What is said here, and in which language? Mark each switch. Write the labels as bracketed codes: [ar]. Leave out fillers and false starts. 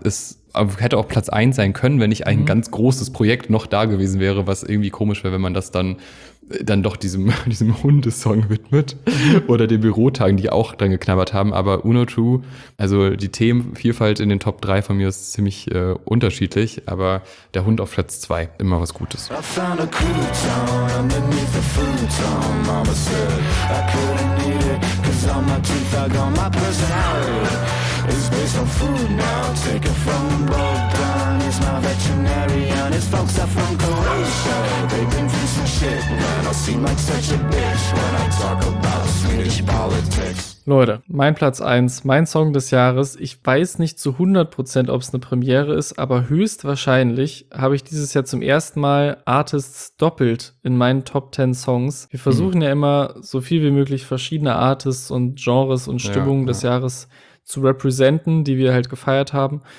[de] Es hätte auch Platz 1 sein können, wenn nicht ein ganz großes Projekt noch da gewesen wäre, was irgendwie komisch wäre, wenn man das dann doch diesem Hundesong widmet oder den Bürotagen, die auch dran geknabbert haben. Aber Uno 2, also die Themenvielfalt in den Top 3 von mir ist ziemlich unterschiedlich, aber der Hund auf Platz 2, immer was Gutes. [en] I found a cool town underneath the food town. Mama said I couldn't eat it, cause all my teeth are gone. My personality is based on food now. Take it from the breakdown. He's my veterinarian. His folks are from Croatia. They've been through some shit. Man, I seem like such a bitch when I talk about Swedish politics. [de] Leute, mein Platz 1, mein Song des Jahres. Ich weiß nicht zu 100%, ob es eine Premiere ist, aber höchstwahrscheinlich habe ich dieses Jahr zum ersten Mal Artists doppelt in meinen Top 10 Songs. Wir versuchen ja immer, so viel wie möglich verschiedene Artists und Genres und Stimmungen des Jahres zu representen, die wir halt gefeiert haben.